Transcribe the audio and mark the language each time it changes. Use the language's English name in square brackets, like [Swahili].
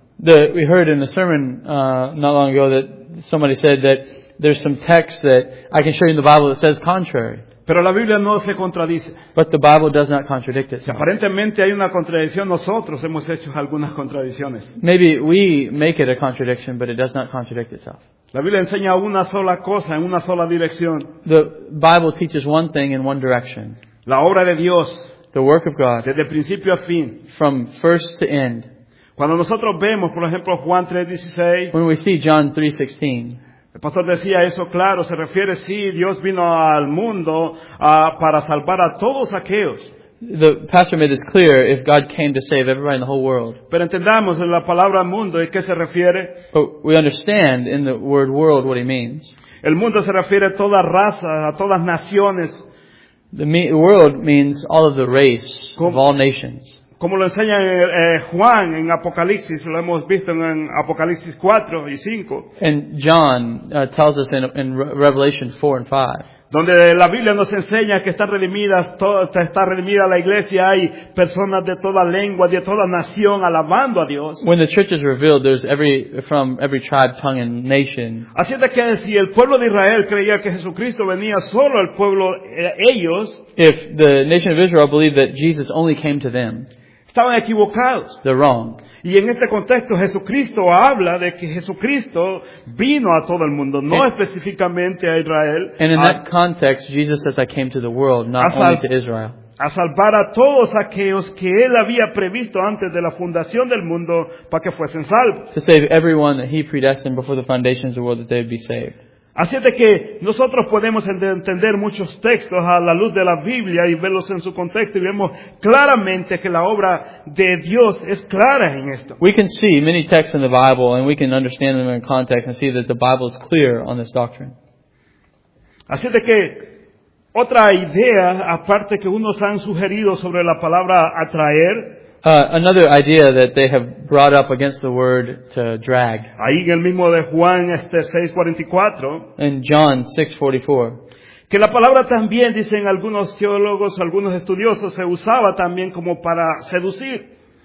[English] We heard in a sermon not long ago that somebody said that there's some text that I can show you in the Bible that says contrary. [Spanish] Pero la Biblia no se contradice. [English] But the Bible does not contradict itself. [Spanish] Aparentemente hay una contradicción. Nosotros hemos hecho algunas contradicciones. [English] Maybe we make it a contradiction, but it does not contradict itself. [Spanish] La Biblia enseña una sola cosa en una sola dirección. [English] The Bible teaches one thing in one direction. [Spanish] La obra de Dios. [English] The work of God. [Spanish] Desde principio a fin. [English] From first to end. [Spanish] Cuando nosotros vemos, por ejemplo, Juan 3:16. [English] When we see John 3:16. [Spanish] El pastor decía eso claro, se refiere, sí, Dios vino al mundo para salvar a todos aquellos. [English] The pastor made this clear, if God came to save everybody in the whole world. [Spanish] Pero entendamos en la palabra mundo, ¿a qué se refiere? [English] But we understand in the word world what he means. [Spanish] El mundo se refiere a toda raza, a todas naciones. [English] The world means all of the race, of all nations. [Spanish] Como lo enseña Juan en Apocalipsis, lo hemos visto en Apocalipsis 4 y 5. [English] And John tells us in Revelation 4 and 5. [Spanish] Donde la Biblia nos enseña que está redimida la iglesia, hay personas de toda lengua, de toda nación alabando a Dios. [English] When the church is revealed, there's from every tribe, tongue and nation. [Spanish] Así es que si el pueblo de Israel creía que Jesucristo venía solo al pueblo ellos, [English] if the nation of Israel believed that Jesus only came to them, [Spanish] estaban equivocados. [English] They're wrong. [Spanish] Y en este contexto Jesucristo habla de que Jesucristo vino a todo el mundo, no específicamente a Israel. [English] And in that context, Jesus says, I came to the world, not only to Israel. [Spanish] A salvar a todos aquellos que él había previsto antes de la fundación del mundo para que fuesen salvos. [English] To save everyone that he predestined before the foundations of the world that they would be saved. [Spanish] Así es de que nosotros podemos entender muchos textos a la luz de la Biblia y verlos en su contexto y vemos claramente que la obra de Dios es clara en esto. [English] We can see many texts in the Bible and we can understand them in context and see that the Bible is clear on this doctrine. [Spanish] Así es de que otra idea, aparte que unos han sugerido sobre la palabra atraer, [English] Another idea that they have brought up against the word to drag. [Spanish] Ahí en el mismo de Juan 6:44. [English] In John 6:44. [Spanish] Que la palabra también, dicen algunos teólogos, algunos estudiosos, se usaba también como para seducir.